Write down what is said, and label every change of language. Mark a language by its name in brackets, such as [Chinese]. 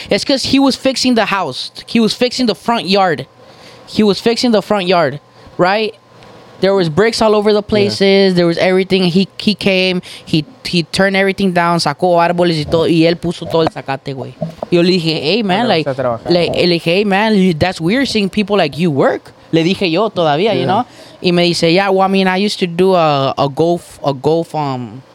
[English] It's because he was fixing the house. He was fixing the front yard. He was fixing the front yard, right? There was bricks all over the places. Yeah. There was everything. He came. He turned everything down. [Spanish] Sacó árboles y todo. Y él puso todo el zacate, güey. Yo le dije, hey, man. Le dije, hey, man. [English] That's weird seeing people like you work. [Spanish] Le dije yo todavía, [English] yeah. You know? [Spanish] Y me dice, [English] yeah, well, I mean, I used to do a golf course.